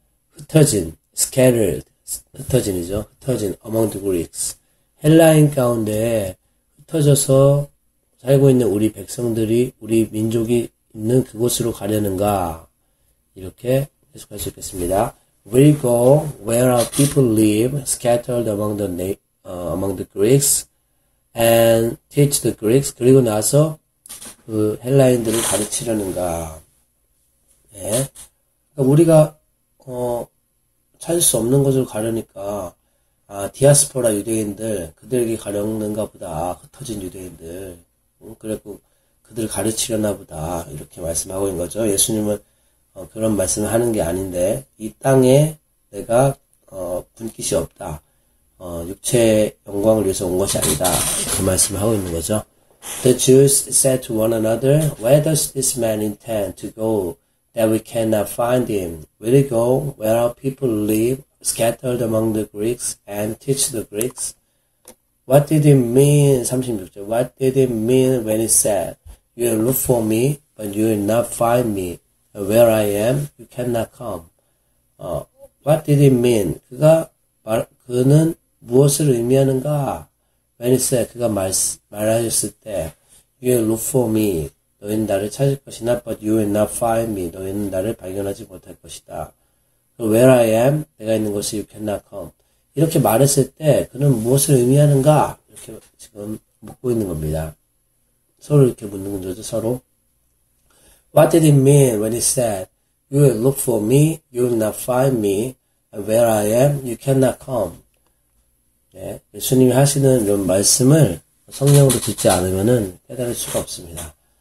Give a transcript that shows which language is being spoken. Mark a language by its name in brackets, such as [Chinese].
[Korean] 흩어진, [English] scattered, [Korean] 흩어진이죠. 흩어진, [English] among the Greeks. [Korean] 헬라인 가운데 흩어져서 살고 있는 우리 백성들이, 우리 민족이 있는 그곳으로 가려는가? 이렇게 해석할 수 있겠습니다. [English] We go where our people live, scattered among the Greeks, and teach the Greeks. [Korean] 그리고 나서 그 헬라인들을 가르치려는가. 예. 그러니까 우리가, 찾을 수 없는 곳을 가려니까, 디아스포라 유대인들, 그들이 가려는가 보다. 흩어진 유대인들. 그래갖고 그들을 가르치려나 보다. 이렇게 말씀하고 있는 거죠. 예수님은 그런 말씀을 하는 게 아닌데, 이 땅에 내가 분깃이 없다. 육체의 영광을 위해서 온 것이 아니다. 그 말씀을 하고 있는 거죠. [English] The Jews said to one another, Where does this man intend to go that we cannot find him? Will he go where our people live, scattered among the Greeks, and teach the Greeks? What did he mean? 36절. What did he mean when he said, You will look for me, but you will not find me. Where I am, you cannot come. What did he mean? [Korean] 그는 무엇을 의미하는가? [English] When he said, [Korean] 그가 말하셨을 때, [English] You will look for me. [Korean] 너희는 나를 찾을 것이나, [English] but you will not find me. [Korean] 너희는 나를 발견하지 못할 것이다. [English] Where I am, [Korean] 내가 있는 곳에 [English] you cannot come. [Korean] 이렇게 말했을 때, 그는 무엇을 의미하는가? 이렇게 지금 묻고 있는 겁니다. 서로 이렇게 묻는 거죠, 서로. [English] What did he mean when he said, You will look for me, you will not find me, and where I am, you cannot come. [Korean] 예, 예수님이 하시는 이런 말씀을 성령으로 듣지 않으면 깨달을 수가 없습니다.